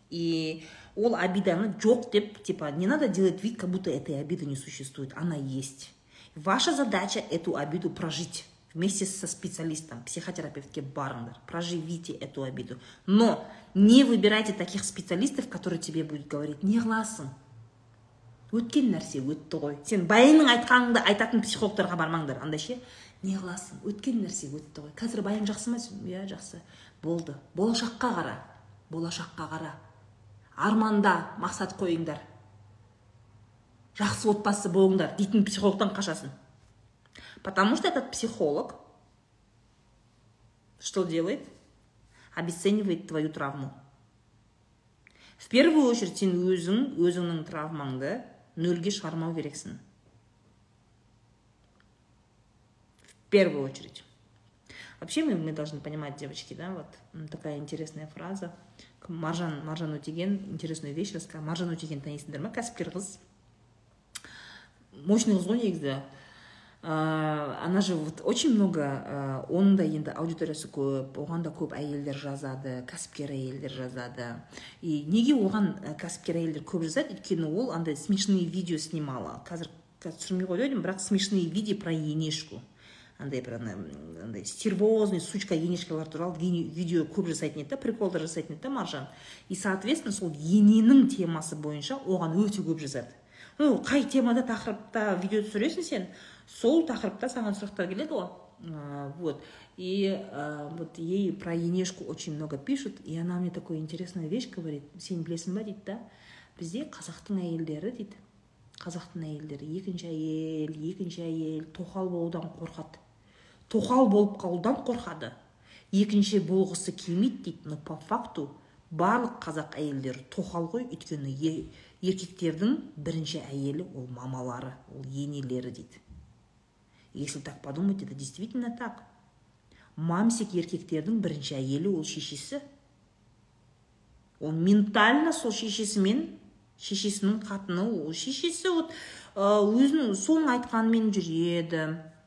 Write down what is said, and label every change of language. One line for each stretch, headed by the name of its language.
Kazakh: И ол обиданы жоқ деп,
Russian: типа, не надо делать вид, как будто этой обиды не существует. Она есть. Ваша задача эту обиду прожить вместе со специалистом,
Kazakh: психотерапевтке барыңдар.
Russian: Проживите эту обиду. Но не выбирайте таких специалистов, которые тебе будут говорить: не гласың.
Kazakh: Өткен нәрсе өтті ғой. Сен байыңның айтқаныңды айтатын психологтарға бармаңдар. Анда ше, не қыласың? Өткен нәрсе өтті ғой. Қазір байың жақсы ма? Иә, жақсы. Болды. Болашаққа қара. Болашаққа қара. Арманда мақсат қойыңдар. жақсы отбасы болыңдар дейтін психологтан қашасын.
Russian: Потому что этот психолог что делает? Обесценивает твою травму. В первую очередь,
Kazakh: сен өзіңнің травмаңды нөлге шығармау керексің.
Russian: В первую очередь. Вообще мы должны понимать, девочки, да, вот такая интересная фраза. Маржан Утиген интересную вещь рассказала.
Kazakh: Маржан Утиген танисыңдар ма? Кәсіпкер қыз. Мощный қыз ғой негізі.
Russian: Она же вот очень много,
Kazakh: оның да енді аудиториясы көп, оған да көп әйелдер жазады, кәсіпкер әйелдер жазады. И неге оған кәсіпкер әйелдер көп жазады? Өйткені ол андай смешные видео снимала. Қазір түсірмей қойдым, бірақ
Russian: смешные видео про енешку.
Kazakh: Андай бір андай стервозный сучка енешкелар туралы видео көп жасайтын еді, приколдар жасайтын еді Маржан.
Russian: И соответственно
Kazakh: сол ененің темасы бойынша оған өте көп жазады. Ну қай темада тақырыпта видео түсіресің сен, сол тақырыпта саған сұрақтар келеді ғой.
Russian: Вот. И вот ей про енешку очень много пишут, и она мне такую интересную вещь говорит.
Kazakh: Сен білесің ба дейді да? Бізде қазақтың әйелдері дейді. Қазақтың әйелдері екінші әйел тоқал болудан қорқады. Тоқал болып қалудан қорқады. Екінші болғысы келмейді дейді,
Russian: но по факту
Kazakh: барлық қазақ әйелдері тоқал ғой, өйткені еркектердің бірінші әйелі ол мамалары, ол енелері дейді.
Russian: Если так подумать, это действительно так.
Kazakh: Мамсик еркектердің бірінші әйелі ол шешесі.
Russian: Он ментально
Kazakh: сол шешесімен. Шешесінің қатыны, ол шешесі вот өзінің соң айтқанымен жүреді.